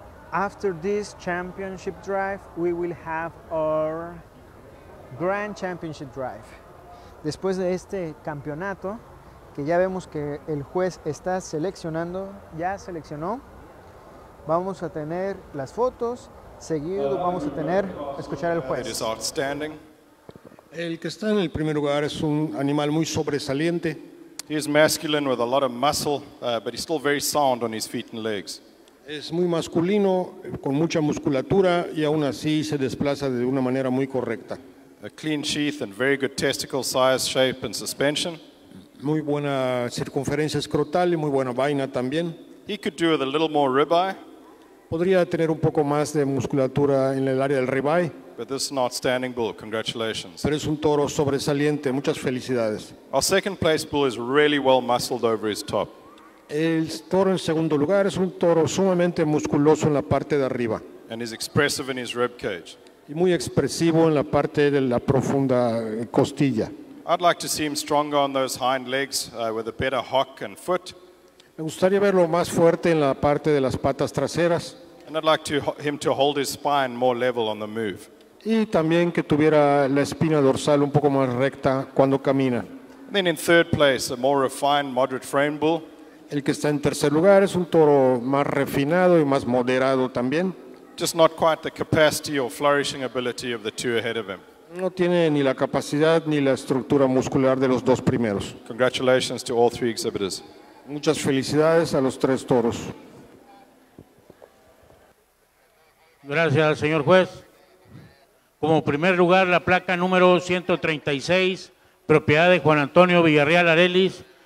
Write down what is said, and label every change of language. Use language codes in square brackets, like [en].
[en] After this championship drive, we will have our grand championship drive. [es] Después de este campeonato, que ya vemos que el juez está seleccionando, ya seleccionó, vamos a tener las fotos, seguido vamos a tener, escuchar al juez. El que está en el primer lugar es un animal muy sobresaliente. [en] He is masculine with a lot of muscle, but he's still very sound on his feet and legs. [es] Es muy masculino, con mucha musculatura, y aún así se desplaza de una manera muy correcta. [en] A clean sheath and very good testicle size, shape and suspension. [es] Muy buena circunferencia escrotal y muy buena vaina también. [en] He could do with a little more ribeye. [es] Podría tener un poco más de musculatura en el área del ribeye. [en] But this is an outstanding bull. Congratulations. [es] Pero es un toro sobresaliente. Muchas felicidades. [en] Our second place bull is really well muscled over his top. [es] El toro en segundo lugar es un toro sumamente musculoso en la parte de arriba. [en] And he's expressive in his rib cage. [es] Y muy expresivo en la parte de la profunda costilla. [en] I'd like to see him stronger on those hind legs, with a better hock and foot. [es] Me gustaría verlo más fuerte en la parte de las patas traseras. [en] And I'd like to him to hold his spine more level on the move. [es] Y también que tuviera la espina dorsal un poco más recta cuando camina. [en] And then in third place, a more refined, moderate frame bull. [es] El que está en tercer lugar es un toro más refinado y más moderado también. [en] Just not quite the capacity or flourishing ability of the two ahead of him. [es] No tiene ni la capacidad ni la estructura muscular de los dos primeros. [en] Congratulations to all three exhibitors. [es] Muchas felicidades a los tres toros. Gracias, señor juez. Como primer lugar, la placa número 136, propiedad de Juan Antonio Villarreal Arelis.